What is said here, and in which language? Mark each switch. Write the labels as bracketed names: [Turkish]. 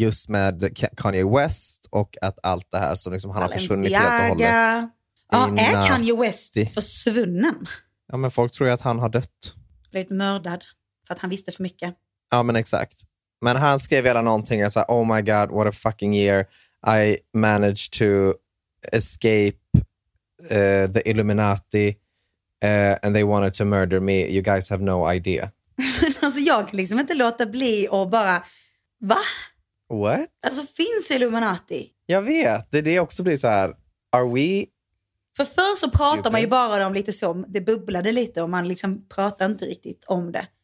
[Swedish] Just med Kanye West och att allt det här som liksom han har försvunnit helt och hållet. Ja, är Kanye West försvunnen? Ja, men folk tror ju att han har dött. Blivit mördad för att han visste för mycket. Ja, men exakt. Men han skrev ju någonting och sa, [English] oh my god, what a fucking year. I managed to escape the Illuminati and they wanted to murder me. You guys have no idea. [Swedish] Alltså jag kan liksom inte låta bli och bara, va? [English] What? [Swedish] Alltså, finns Illuminati? Jag vet. Det är också blir så här, [English] are we... [Swedish] För förr så pratar man ju bara om lite så, det bubblade lite och man liksom pratar inte riktigt om det.